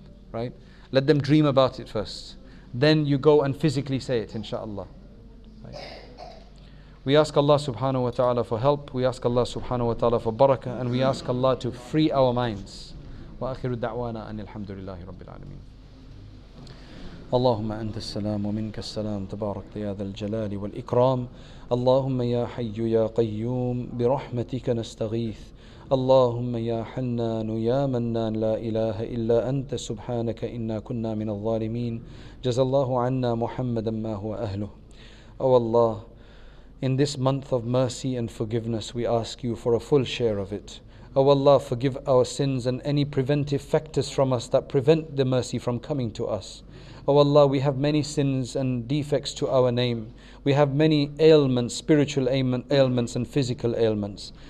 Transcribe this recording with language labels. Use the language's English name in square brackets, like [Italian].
[English] Right? Let them dream about it first. Then you go and physically say it, inshallah. We ask Allah subhanahu wa ta'ala for help. We ask Allah subhanahu wa ta'ala for barakah. And we ask Allah to free our minds. [Arabic] Wa akhiru da'wana anil hamdulillahi rabbil alameen. اللهم أنت السلام ومنك السلام تبارك يا ذا الجلال والإكرام اللهم يا حي يا قيوم برحمتك نستغيث اللهم يا حنان يا منان لا إله إلا أنت سبحانك إنا كنا من الظالمين جزى الله عنا محمدا ما هو أهله أو الله. [English] In this month of mercy and forgiveness, we ask you for a full share of it. O Allah, forgive our sins and any preventive factors from us that prevent the mercy from coming to us. O Allah, we have many sins and defects to our name. We have many ailments, spiritual ailments and physical ailments.